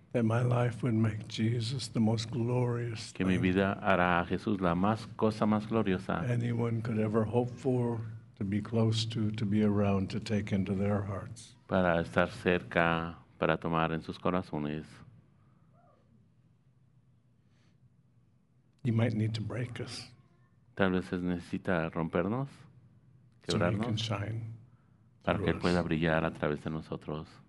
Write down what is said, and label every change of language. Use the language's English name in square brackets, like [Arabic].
[English] That my life would make Jesus the most glorious [Spanish] que mi vida hará a Jesús la más cosa más gloriosa. [English] Anyone could ever hope for to be close to be around to take into their hearts. [Spanish] Para estar cerca, para tomar en sus corazones. [English] He might need to break us. [Spanish] Tal vez es necesita rompernos, quebrarnos. [English] So he can shine [Spanish] para que pueda brillar a través de nosotros.